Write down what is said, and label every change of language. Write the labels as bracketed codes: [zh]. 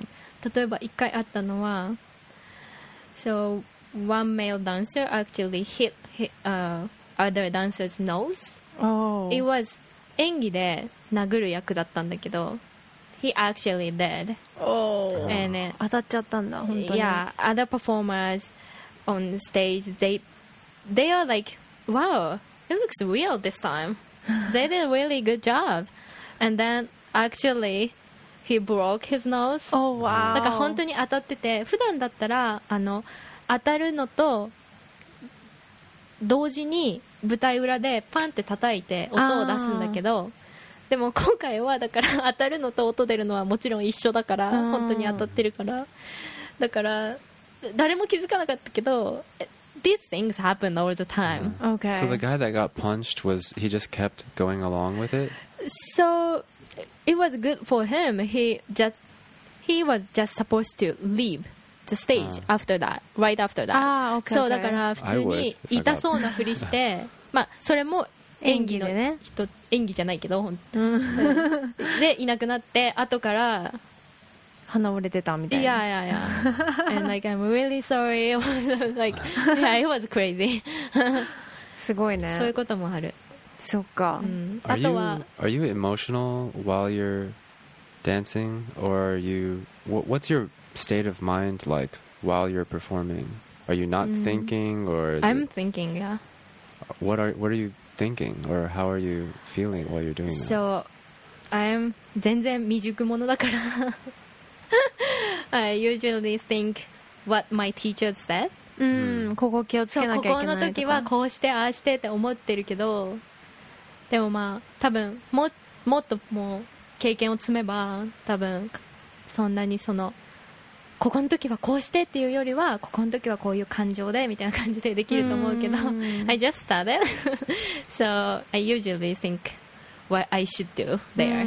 [ja] 例えば一回あったのは、 [en] So one male dancer actually hit other dancer's nose、 oh. It was [ja] 演技で殴る役だったんだけど、 [en] He actually did. Oh, and then, [ja] 当たっちゃったんだ本当に。 [en] Yeah, other performers on the stage, they are like, wow, it looks real this time. They did a really good job. And then actually, he broke his nose. Oh wow. [ja] なんか本当に当たってて、普段だったらあの当たるのと同時に舞台裏でパンって叩いて音を出すんだけど。でも今回はだから当たるのと音出るのはもちろん一緒だから本当に当たってるから、だから誰も気づかなかったけど [en] These things happen all the time、 yeah. okay. So the guy that got punched was he just kept going along with it? So it was good for him. He was just supposed to leave the stage after that, right after that、 okay, okay. [ja] そうだから普通に痛そうなふりしてまあそれも演技の人、演技でね、演技じゃないけど本当、うん、でいなくなって後から鼻折れてたみたいな、 [en] yeah yeah yeah and like I'm really sorry like yeah it was crazy [ja] すごいね、そういうこともある、そっか、うん、あとは [en] are you emotional while you're dancing or are you what's your state of mind like while you're performing, are you not thinking or I'm thinking yeah what are youThinking or how are you feeling while you're doing that? So, I'm [ja] 全然未熟者だから [en] I usually think what my teacher said. [ja] ここ気をつけなきゃいけないとか。ここの時はこうしてああしてって思ってるけど、でもまあ多分もっともう経験を積めば多分そんなにそのここの時はこうしてっていうよりはここの時はこういう感情でみたいな感じでできると思うけど、mm-hmm. [en] I just started So I usually think what I should do there、